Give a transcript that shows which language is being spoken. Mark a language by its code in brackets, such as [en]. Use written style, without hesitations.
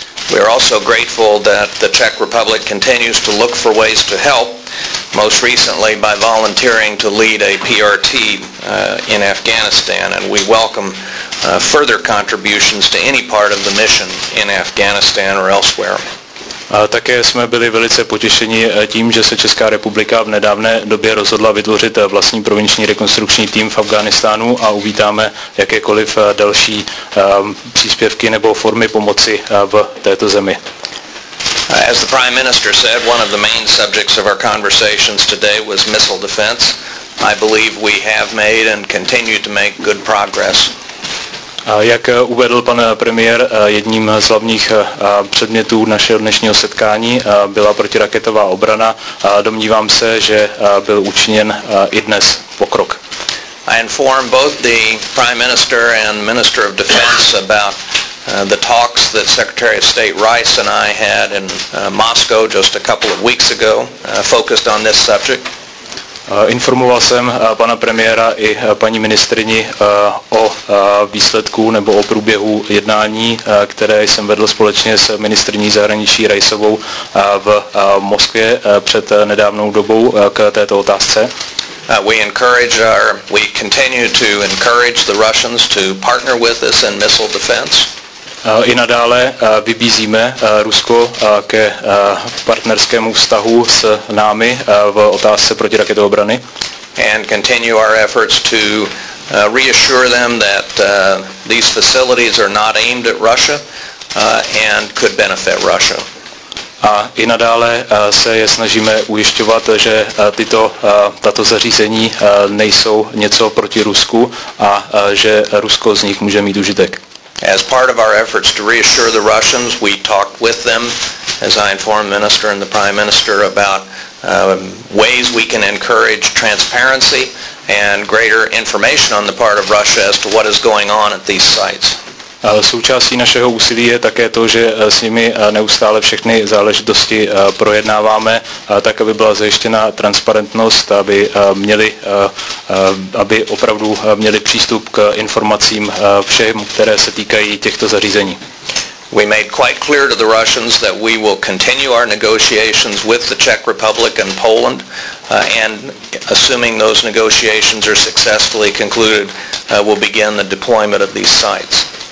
[en] We are also grateful that the Czech Republic continues to look for ways to help, most recently by volunteering to lead a PRT in Afghanistan, and we welcome further contributions to any part of the mission in Afghanistan or elsewhere. [cs] Také jsme byli velice potěšeni tím, že se Česká republika v nedávné době rozhodla vytvořit vlastní provinční rekonstrukční tým v Afghánistánu a uvítáme jakékoliv další příspěvky nebo formy pomoci v této zemi. [en] As the Prime Minister said, one of the main subjects of our conversations today was missile defense. I believe we have made and continue to make good progress. [cs] Jak uvedl pan premiér, jedním z hlavních předmětů našeho dnešního setkání byla protiraketová obrana. Domnívám se, že byl učiněn i dnes pokrok. [en] I informed both the Prime Minister and Minister of Defense about the talks that Secretary of State Rice and I had in Moscow just a couple of weeks ago focused on this subject. [cs] Informoval jsem pana premiéra i paní ministryni o výsledku nebo o průběhu jednání, které jsem vedl společně s ministryní zahraničí Rajsovou v Moskvě před nedávnou dobou k této otázce. [en] We continue to encourage the Russians to partner with us in missile defense. [cs] I nadále vybízíme Rusko ke partnerskému vztahu s námi v otázce protiraketové obrany. [en] And continue our efforts to reassure them that these facilities are not aimed at Russia and could benefit Russia. [cs] A i nadále se je snažíme ujišťovat, že tato zařízení nejsou něco proti Rusku a že Rusko z nich může mít užitek. [en] As part of our efforts to reassure the Russians, we talked with them, as I informed the Minister and the Prime Minister, about ways we can encourage transparency and greater information on the part of Russia as to what is going on at these sites. [cs] Součástí našeho úsilí je také to, že s nimi neustále všechny záležitosti projednáváme, tak aby byla zajištěna transparentnost, aby opravdu měli přístup k informacím všem, které se týkají těchto zařízení. [en] We made quite clear to the Russians that we will continue our negotiations with the Czech Republic and Poland, and assuming those negotiations are successfully concluded, we'll begin the deployment of these sites.